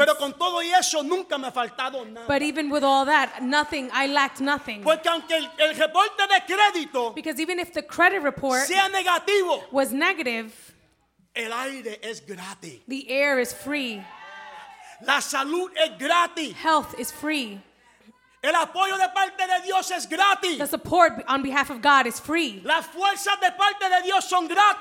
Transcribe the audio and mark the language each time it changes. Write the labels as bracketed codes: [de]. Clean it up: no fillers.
[es] Pero con todo y eso nunca me ha faltado nada. [en] But even with all that, nothing, I lacked nothing. [es] Porque aunque el reporte de crédito. [en] Because even if the credit report. [es] Sea negativo. [en] Was negative. [es] El aire es gratis. [en] The air is free. [es] La salud es gratis. [en] Health is free. [es] El apoyo de parte de Dios es gratis. [en] The support on behalf of God is free. [es] Las fuerzas de parte de Dios son gratis.